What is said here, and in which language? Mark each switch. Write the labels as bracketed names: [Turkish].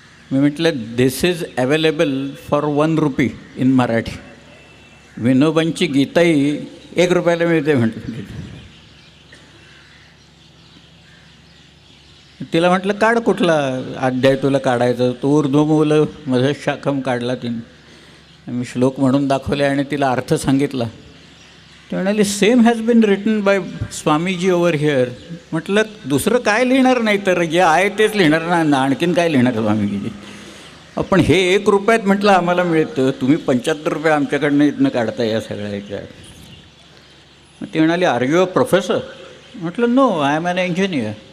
[Marathi] मी म्हटलं, [English] this is available for 1 rupee in Marathi, [Marathi] विनोबांची Gitai 1 रुपयाला मिळते म्हटलं। तिला म्हटलं, काढ कुठला अध्याय तुला काढायचा, तू ऊर्ध्वमूल मधशाखम काढला तिने, मी श्लोक म्हणून दाखवले आणि तिला अर्थ सांगितला। ती म्हणाली, [English] Same has been written by Swamiji over here. [Marathi] म्हटलं, दुसरं काय लिहिणार नाही, तर जे आहे तेच लिहिणार ना, आणखीन काय लिहिणार स्वामीजी, पण हे 1 रुपयात म्हटलं आम्हाला मिळतं, तुम्ही 75 रुपये आमच्याकडनं इथनं काढता या सगळ्या ह्याच्यात। मग ती म्हणाली, [English] Are you a professor? म्हटलं, no, I'm an engineer.